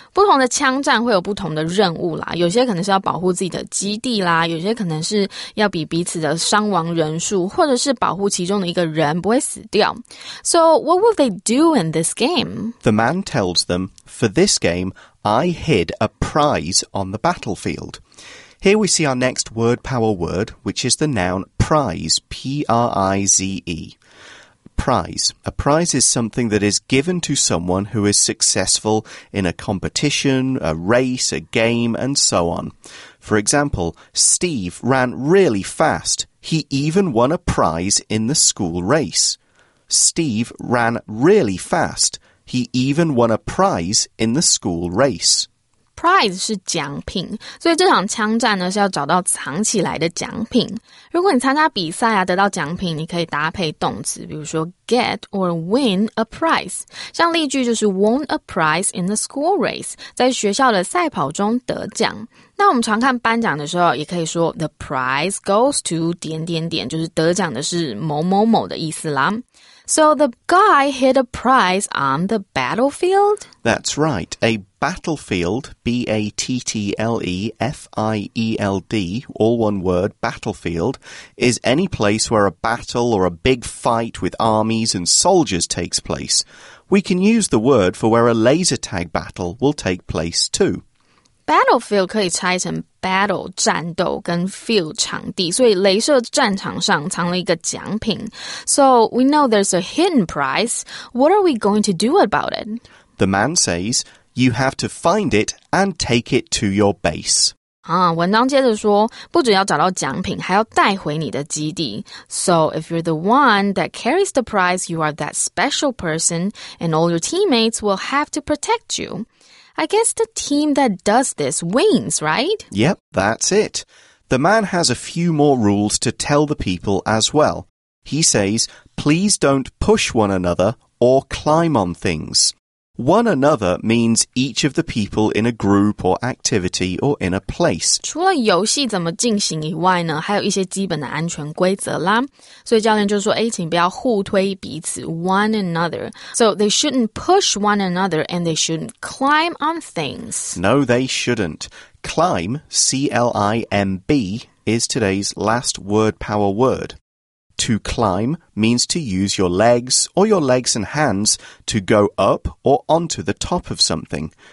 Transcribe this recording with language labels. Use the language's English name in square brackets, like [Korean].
[Chinese] 不同的枪战会有不同的任务啦。有些可能是要保护自己的基地啦。有些可能是要比彼此的伤亡人数或者是保护其中的一个人不会死掉。 [English] So what will they do in this game? The man tells them, for this game, I hid a prize on the battlefield. Here we see our next word power word, which is the noun prize, P-R-I-Z-E. Prize. A prize is something that is given to someone who is successful in a competition, a race, a game, and so on. For example, Steve ran really fast. He even won a prize in the school race. Steve ran really fast. He even won a prize in the school race. [Chinese] Prize 是奖品，所以这场枪战呢是要找到藏起来的奖品。如果你参加比赛啊，得到奖品，你可以搭配动词，比如说 [English] get or win a prize。 [Chinese] 像例句就是 [English] won a prize in the school race， [Chinese] 在学校的赛跑中得奖。那我们常看颁奖的时候，也可以说 [English] the prize goes to [Chinese] 点点点，就是得奖的是某某某的意思啦。 [English] So the guy hid a prize on the battlefield? That's right. A battlefield, B-A-T-T-L-E-F-I-E-L-D, all one word, battlefield, is any place where a battle or a big fight with armies and soldiers takes place. We can use the word for where a laser tag battle will take place too. [Chinese] Battlefield 可以拆成 battle, 战斗跟 field, 场地。所以雷射战场上藏了一个奖品。 [English] So we know there's a hidden prize. What are we going to do about it? The man says, you have to find it and take it to your base. [Chinese] 啊，文章接着说，不只要找到奖品，还要带回你的基地。 [English] So if you're the one that carries the prize, you are that special person, and all your teammates will have to protect you. I guess the team that does this wins, right? Yep, that's it. The man has a few more rules to tell the people as well. He says, please don't push one another or climb on things. One another means each of the people in a group or activity or in a place. [Chinese] 除了游戏怎么进行以外呢，还有一些基本的安全规则啦。所以教练就说，哎，请不要互推彼此 , [English] one another. So they shouldn't push one another and they shouldn't climb on things. No, they shouldn't. Climb, C-L-I-M-B, is today's last word power word. To climb means to use your legs or your legs and hands to go up or onto the top of something.